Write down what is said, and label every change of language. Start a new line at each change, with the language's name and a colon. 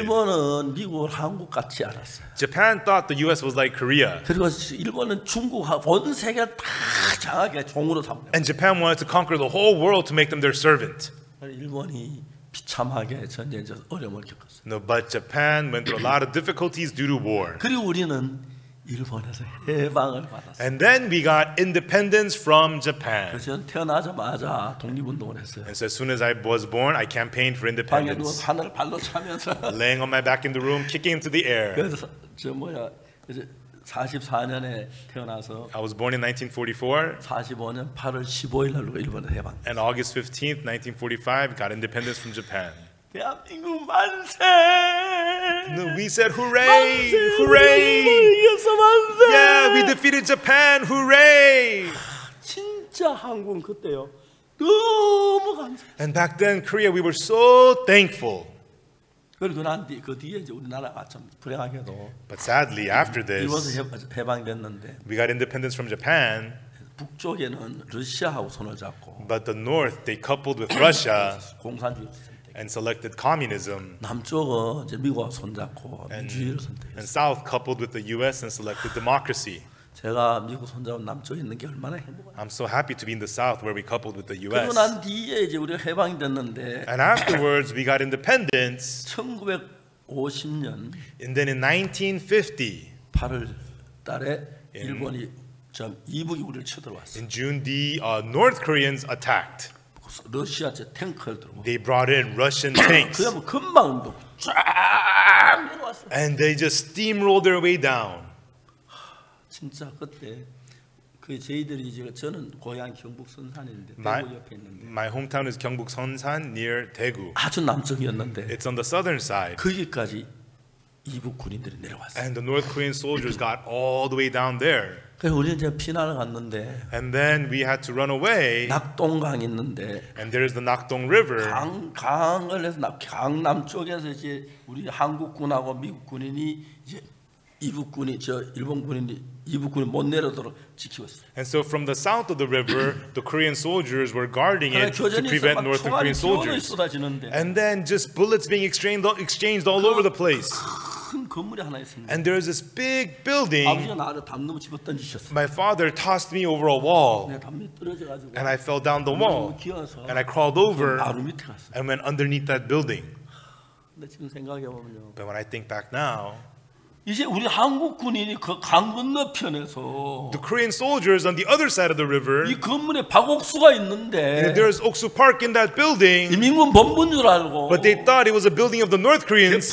Korean: 일본은 미국을 한국 같이 알았어.
English: Japan thought the U.S. was like Korea.
Korean: 그리고 일본은 중국하고 온 세계 다 장악해 종으로 삼는.
English: And Japan wanted to conquer the whole world to make them their servant.
Korean: 일본이 비참하게 전쟁에서 어려움을 겪었어.
English: No, but Japan went through a lot of difficulties due to war.
Korean: 그리고 우리는 일본에서 해방을 받았어.
English: And then we got independence from Japan.
Korean: 그래서 태어나자마자 독립운동을 했어요.
English: And so as soon as I was born, I campaigned for independence.
Korean: 방에 누워 하늘 발로 차면서.
English: Laying on my back in the room, kicking into the air.
Korean: 그래서 저 뭐야 이제 44년에 태어나서.
English: I was born in 1944.
Korean: 45년 8월 15일날 우리가 일본에서 해방.
English: And August 15th, 1945, got independence from Japan.
Korean: 대한민국 만세!
English: No, we said hooray!
Korean: 만세!
English: Hooray!
Korean: 이겼어, 만세!
English: Yeah, we defeated Japan! Hooray!
Korean: 진짜 한국은 그때요. 너무 감사.
English: And back then, Korea, we were so thankful.
Korean: 그리고 난 뒤, 그 뒤에 이제 우리나라가 좀 불행하게도.
English: But sadly, after this,
Korean: 일본에서 해방됐는데.
English: We got independence from Japan.
Korean: 북쪽에는 러시아하고 손을 잡고.
English: But the north, they coupled with Russia.
Korean: 공산주의.
English: And selected communism.
Korean: 남쪽은 이제 미국과 손잡고 민주주의를 선택.
English: And south coupled with the U.S. and selected democracy.
Korean: 제가 미국 손잡고 남쪽에 있는 게 얼마나 행복한.
English: I'm so happy to be in the south where we coupled with the U.S.
Korean: 그리고 난 뒤에 이제 우리가 해방됐는데.
English: And afterwards we got independence.
Korean: 1950년.
English: And then in 1950.
Korean: 8월 달에 일본이 좀 이북이 우리를 쳐들어왔어.
English: In June the North Koreans attacked.
Korean: 러시아 제 탱크를 들고.
English: They brought in Russian tanks.
Korean: 그냥 뭐 금방 또 쫙 내려왔어.
English: And they just steamrolled their way down.
Korean: 진짜 그때 그 저희들이 지금 저는 고향 경북 선산인데 대구 옆에 있는데.
English: My hometown is 경북 선산 near 대구.
Korean: 아주 남쪽이었는데.
English: It's on the southern side.
Korean: 거기까지 이북 군인들이 내려왔어요.
English: And the North Korean soldiers got all the way down there.
Korean: 그래서 우리는 이제 피난을 갔는데.
English: And then we had to run away.
Korean: 낙동강 있는데.
English: And there is the Nakdong River.
Korean: 강을 해서 강 남쪽에서 이제 우리 한국군하고 미국 군인이 이제 이북 군이 저 일본 군인이 이북 군이 못 내려도록 지키고 있어요.
English: And so from the south of the river, the Korean soldiers were guarding it to prevent North Korean soldiers.
Korean: 쏟아지는데.
English: And then just bullets being exchanged all over the place.
Korean: 큰 건물이 하나 있습니다.
English: And there is this big building.
Korean: 아버지가 나를 담으로 집어던지셨어요.
English: My father tossed me over a wall.
Korean: 내가 담이 떨어져가지고.
English: And I fell down the wall.
Korean: 기어서.
English: And I crawled over.
Korean: 바로 밑에 갔어요.
English: And went underneath that building.
Korean: 근데 지금 생각해 보면요.
English: But when I think back now.
Korean: 이제 우리 한국 군인이 그 강 건너편에서
English: The Korean soldiers on the other side of the river
Korean: 이 건물에 박옥수가 있는데
English: There's Oksu Park in that building
Korean: 이민군 본부인 줄 알고
English: But they thought it was a building of the North Koreans